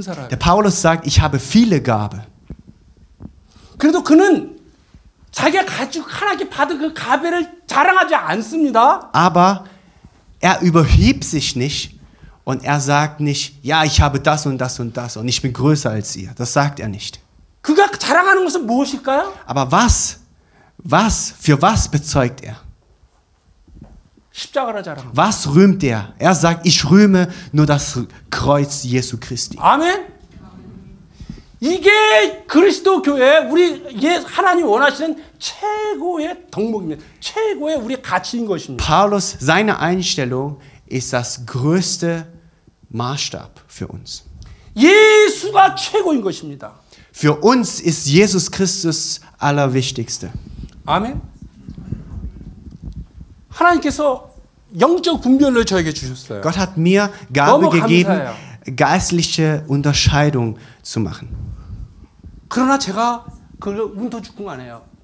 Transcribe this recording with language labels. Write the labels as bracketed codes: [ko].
[de] Der Paulus sagt, ich habe viele Gabe. [ko] 그래도 그는 자기가 가지고 하나님께 받은 그 가베를 자랑하지 않습니다. [de] Aber er überhebt sich nicht und er sagt nicht, ja, ich habe das und das und das und ich bin größer als ihr. Das sagt er nicht. [ko] 그가 자랑하는 것은 무엇일까요? [de] Aber was, für was bezeugt er? [ko] 십자가를 자랑. [de] Was rühmt er? Er sagt, ich rühme nur das Kreuz Jesu Christi. Amen. [ko] 이게 그리스도 교회 우리 예 하나님 원하시는 최고의 덕목입니다. 최고의 우리 가치인 것입니다. [de] Paulus seine Einstellung ist das größte Maßstab für uns. [ko] 예수가 최고인 것입니다. [de] Für uns ist Jesus Christus allerwichtigste. [ko] 아멘. 하나님께서 영적 분별을 저에게 주셨어요. [de] Gott hat mir Gabe gegeben, geistliche Unterscheidung zu machen. [ko] 그러나 제가 그걸 운터주꾼 안 해요.